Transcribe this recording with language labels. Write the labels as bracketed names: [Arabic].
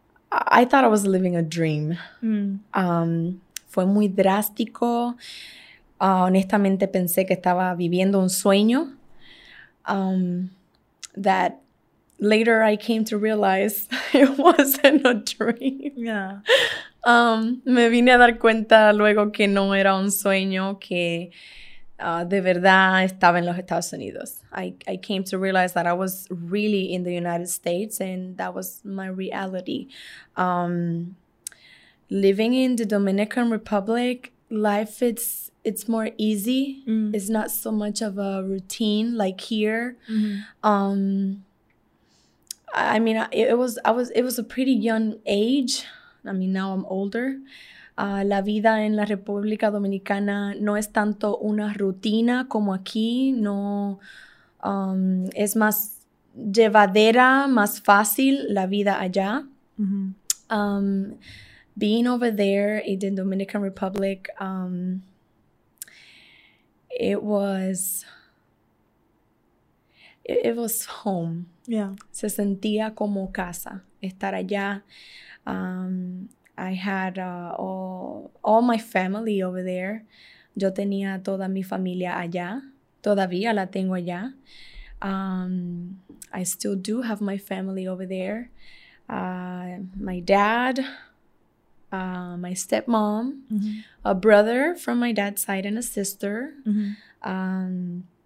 [English] I thought I was living a dream. [Spanish] Mm. Fue muy drástico. Honestamente pensé que estaba viviendo un sueño. [English] That later I came to realize it wasn't a dream. Yeah. [Spanish] Me vine a dar cuenta luego que no era un sueño, que de verdad estaba en los Estados Unidos. [English] I came to realize that I was really in the United States, and that was my reality. Living in the Dominican Republic, life, it's more easy. Mm. It's not so much of a routine like here. Mm-hmm. I mean, it was a pretty young age. I mean, now I'm older. [Spanish] La vida en la República Dominicana no es tanto una rutina como aquí. No, es más llevadera, más fácil la vida allá. Mm-hmm. [English] Being over there in the Dominican Republic, it was home. Yeah. [Spanish] Se sentía como casa, estar allá. [English] I had all my family over there. [Spanish] Yo tenía toda mi familia allá. Todavía la tengo allá. [English] I still do have my family over there. My dad, my stepmom, mm-hmm. a brother from my dad's side, and a sister. Mm-hmm.